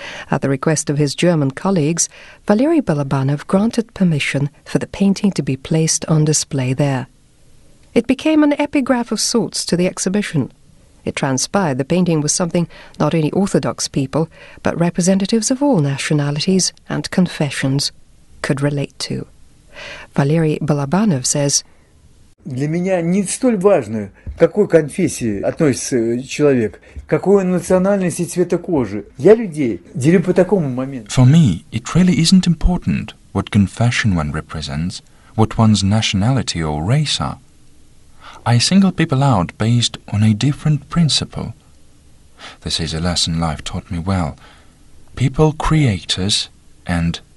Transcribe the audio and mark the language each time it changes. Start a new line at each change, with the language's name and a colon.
English: At the request of his German colleagues, Valery Balabanov granted permission for the painting to be placed on display there. It became an epigraph of sorts to the exhibition. It transpired the painting was something not only Orthodox people, but representatives of all nationalities and confessions could relate to. Valery Balabanov says,
Russian: Для меня не столь важно, к какой конфессии относится человек, какой он национальности цвета кожи. Я людей делю по такому моменту.
English: For me, it really isn't important what confession one represents, what one's nationality or race are. I single people out based on a different principle. This is a lesson life taught me well. People create us, and